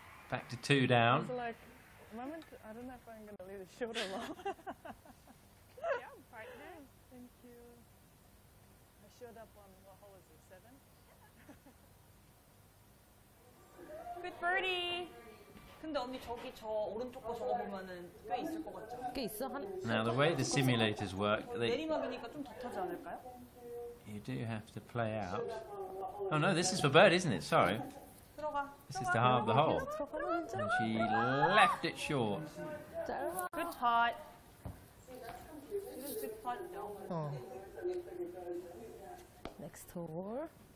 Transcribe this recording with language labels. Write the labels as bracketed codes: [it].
[en] Back to two down. It's like, moment, I don't know if I'm going to leave the shoulder long. Yeah, I'm fine now. Thank you. I showed up on, what hole is it, 7? Good birdie. [ko] 근데 언니 저기 저 오른쪽 거 저거 보면은 꽤 있을 것 같죠? 꽤 있어 한. [en] Now the way the simulators work, they. [ko] 내리막이니까 좀 더 타지 않을까요? [en] You do have to play out. Oh no, this is for bird, isn't it? Sorry. [ko] 들어가. [en] This is to halve the hole. And she left it short. Good putt. It is good putt, though. Oh. Next hole.